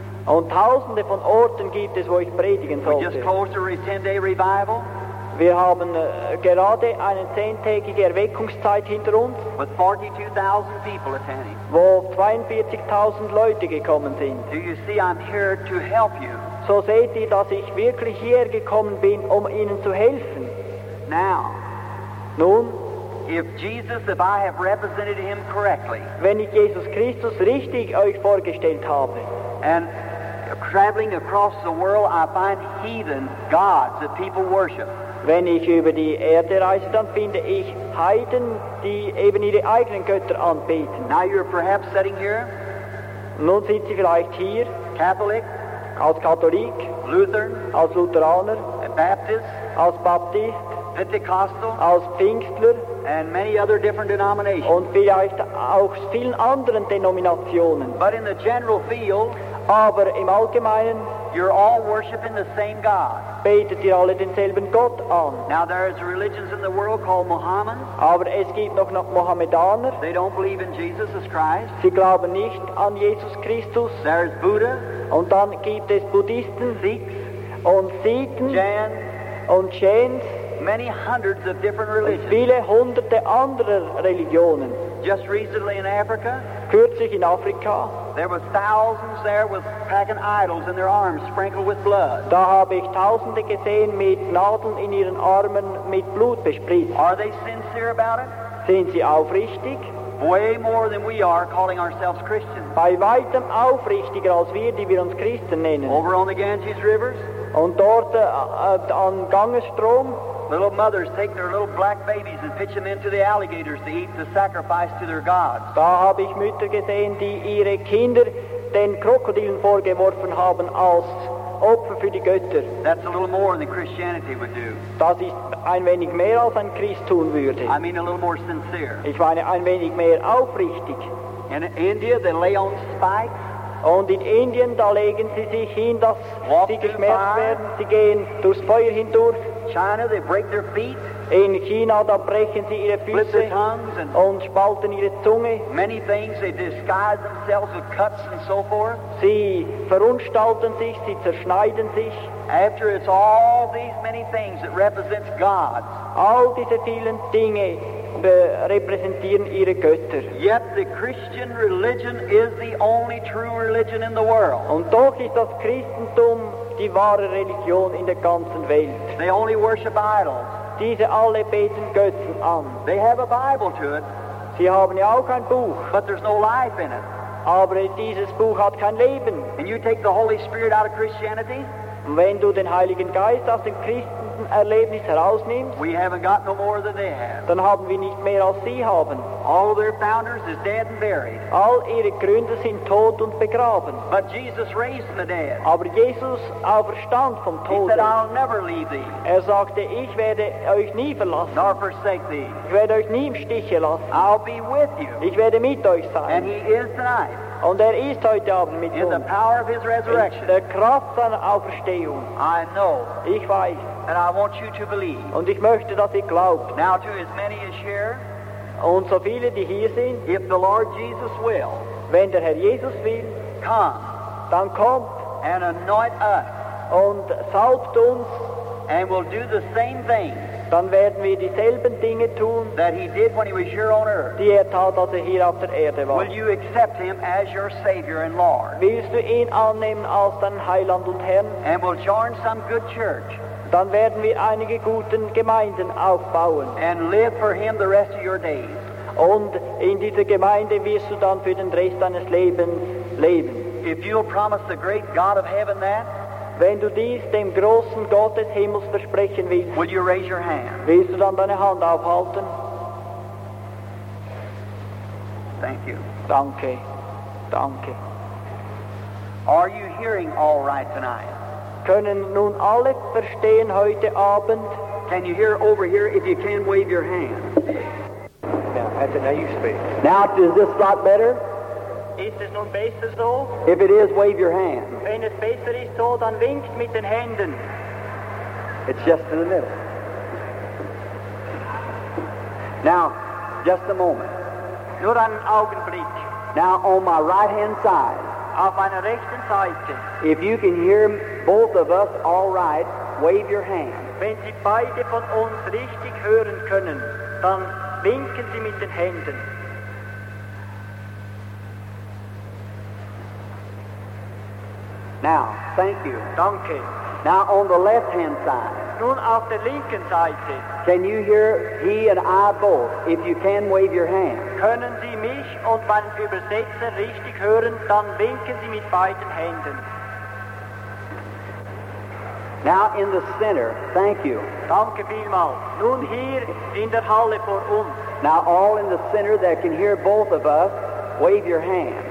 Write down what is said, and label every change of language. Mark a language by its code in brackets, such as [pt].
[de] Und tausende von Orten gibt es, wo ich predigen sollte. [en] We just closed a 10-day revival. [de] Wir haben gerade eine 10-tägige Erweckungszeit hinter uns, [en] with 42,000 people attending. [de] Wo 42,000 Leute gekommen sind. [en] Do you see I'm here to help you? [de] So seht ihr, dass ich wirklich hier gekommen bin, um Ihnen zu helfen. [en] Now, [de] nun, [en] if Jesus, if I have represented him correctly, [de] wenn ich Jesus Christus richtig euch vorgestellt habe, [en] and traveling across the world, I find heathen gods that people worship. [de] Wenn ich über die Erde reise, dann finde ich Heiden, die eben ihre eigenen Götter anbeten. [en] Now you're perhaps sitting here. [de] Nun sind Sie vielleicht hier. [en] Catholic. [de] Als Katholik. [en] Lutheran. [de] Als Lutheraner. [en] A Baptist. [de] Als Baptist. [en] Pentecostal. [de] Als Pfingstler. [en] And many other different denominations. [de] Und vielleicht auch vielen anderen Denominationen. [en] But in the general field. [de] Aber im Allgemeinen. [en] You're all worshiping the same God. [de] Betet ihr alle denselben Gott an. [en] Now there is religions in the world called Mohammed. [de] Aber es gibt noch Mohammedaner. [en] They don't believe in Jesus as Christ. [de] Sie glauben nicht an Jesus Christus. [en] There is Buddha. [de] Und dann gibt es Buddhisten. [en] Sikhs. [de] Und Sikhen. [en] Jain. [de] Und Jains. [en] Many hundreds of different religions. [de] Und viele hunderte anderer Religionen. [en] Just recently in Africa. [de] Kürzlich in Afrika. [en] There were thousands there with packing idols in their arms, sprinkled with blood. [de] Da habe ich Tausende gesehen mit Nadeln in ihren Armen mit Blut bespritzt. [en] Are they sincere about it? [de] Sind sie aufrichtig? [en] Way more than we are, calling ourselves Christians. [de] Bei weitem aufrichtiger als wir, die wir uns Christen nennen. [en] Over on the Ganges rivers. [de] Und dort an Gangesstrom. [en] Little mothers take their little black babies and pitch them into the alligators to eat the sacrifice to their gods. [de] Da habe ich Mütter gesehen, die ihre Kinder den Krokodilen vorgeworfen haben als Opfer für die Götter. [en] That's a little more than Christianity would do. [de] Das ist ein wenig mehr als ein Christ tun würde. [en] I mean a little more sincere. [de] Ich meine ein wenig mehr aufrichtig. [en] In India, they lay on spikes. [de] Und in Indien, da legen sie sich hin, dass [en] walk [de] sie geschmerzt werden. Sie gehen durchs Feuer hindurch. [en] China, they break their feet. [de] In China, da brechen sie ihre Füße. [en] Split their tongues [de] und spalten ihre Zunge. [en] Many things, they disguise themselves with cuts and so forth. [de] Sie verunstalten sich, sie zerschneiden sich. [en] After it's all these many things that represents God. [de] All diese vielen Dinge repräsentieren ihre Götter. [en] Yet the Christian religion is the only true religion in the world. [de] Und doch ist das Christentum die wahre Religion in der ganzen Welt. [en] They only worship idols. [de] Diese alle beten Götzen an. [en] They have a Bible to it. [de] Sie haben ja auch ein Buch. [en] But there's no life in it. [de] Aber dieses Buch hat kein Leben. [en] And you take the Holy Spirit out of Christianity? [de] Wenn du den Heiligen Geist aus dem Christenerlebnis herausnimmst, [en] we haven't got no more than they have. [de] Dann haben wir nicht mehr als sie haben. [en] All their founders is dead and buried. [de] All ihre Gründer sind tot und begraben. [en] But Jesus raised the dead. [de] Aber Jesus auferstand vom Tod. [en] He said, I'll never leave thee. [de] Er sagte, ich werde euch nie verlassen. [en] Nor forsake thee. [de] Ich werde euch nie im Stiche lassen. [en] I'll be with you. [de] Ich werde mit euch sein. [en] And he is tonight. [de] Und ist heute Abend mit [en] in the power of his resurrection. [de] In der Kraft seiner Auferstehung. [en] I know. [de] Ich weiß. [en] And I want you to believe. [de] Und ich möchte, dass ihr glaubt. [en] Now to as many as here. [de] Und so viele, die hier sind. [en] If the Lord Jesus will. [de] Wenn der Herr Jesus will. [en] Come. [de] Dann kommt. [en] And anoint us. [de] Und salbt uns. [en] And we'll do the same thing. [de] Dann werden wir dieselben Dinge tun, [en] that he did when he was here on earth. [de] Die tat, als hier auf der Erde war. [en] Will you accept him as your Savior and Lord? [de] Willst du ihn annehmen als deinen Heiland und Herrn? [en] And we'll join some good church. [de] Dann werden wir einige guten Gemeinden aufbauen. [en] And live for him the rest of your days. [de] Und in dieser Gemeinde wirst du dann für den Rest deines Lebens leben. [en] If you'll promise the great God of heaven that, [de] wenn du dies dem großen Gott des Himmels versprechen willst, [en] will you raise your hand? [de] Willst du dann deine Hand aufhalten? [en] Thank you. [de] Danke. Danke. [en] Are you hearing all right tonight? [de] Können nun alle verstehen heute Abend? [en] Can you hear over here? If you can, wave your hand. Now, that's it. Now you speak. Now, is this lot better? [de] Ist es nun besser so? [en] If it is, wave your hand. [de] Wenn es besser ist so, dann winkt mit den Händen. [en] It's just in the middle. Now, just a moment. [de] Nur einen Augenblick. [en] Now, on my right-hand side. [de] Auf meiner rechten Seite. [en] If you can hear both of us all right, wave your hand. [de] Wenn Sie beide von uns richtig hören können, dann winken Sie mit den Händen. [en] Now, thank you. [de] Danke. [en] Now, on the left-hand side. [de] Nun auf der linken Seite. [en] Can you hear he and I both? If you can, wave your hand. [de] Können Sie mich und meinen Übersetzer richtig hören, dann winken Sie mit beiden Händen. [en] Now in the center, thank you. [de] Danke vielmals. Nun hier in der Halle vor uns. [en] Now all in the center that can hear both of us, wave your hand.